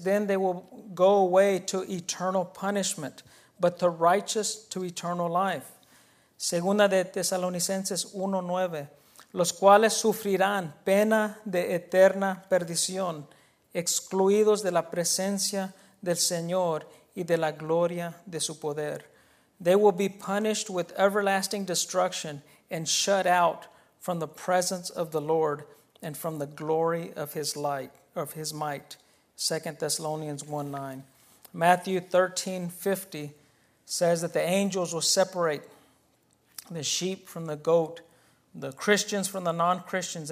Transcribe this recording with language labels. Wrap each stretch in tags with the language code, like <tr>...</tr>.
<en>Then they will go away to eternal punishment, but the righteous to eternal life.</en> <es>Segunda de Tesalonicenses 1:9. Los cuales sufrirán pena de eterna perdición, excluidos de la presencia del Señor y de la gloria de su poder.</es> <en>They will be punished with everlasting destruction and shut out from the presence of the Lord and from the glory of his light, of his might. 2 Thessalonians 1:9. Matthew 13:50 says that the angels will separate the sheep from the goat, the Christians from the non-Christians.</en>